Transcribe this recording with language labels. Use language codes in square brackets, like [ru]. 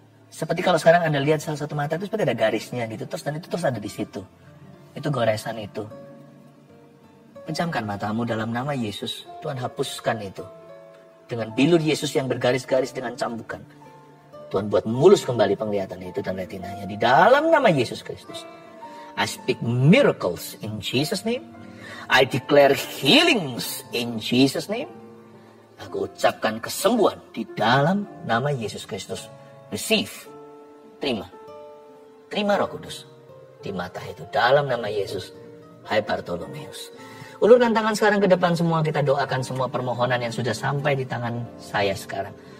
[id] Seperti kalau sekarang Anda lihat salah satu mata itu seperti ada garisnya gitu, terus dan itu terus ada di situ. Itu goresan itu. Pejamkan matamu dalam nama Yesus. Tuhan hapuskan itu. Dengan bilur Yesus yang bergaris-garis dengan cambukan, Tuhan buat mulus kembali penglihatan itu dan retinanya. Di dalam nama Yesus Kristus, [en] I speak miracles in Jesus' name. I declare healings in Jesus' name. [id] Aku ucapkan kesembuhan di dalam nama Yesus Kristus. Receive. Terima. Terima Roh Kudus. Di mata itu. Dalam nama Yesus. Hai Bartolomeus. Ulurkan tangan sekarang ke depan semua. Kita doakan semua permohonan yang sudah sampai di tangan saya sekarang.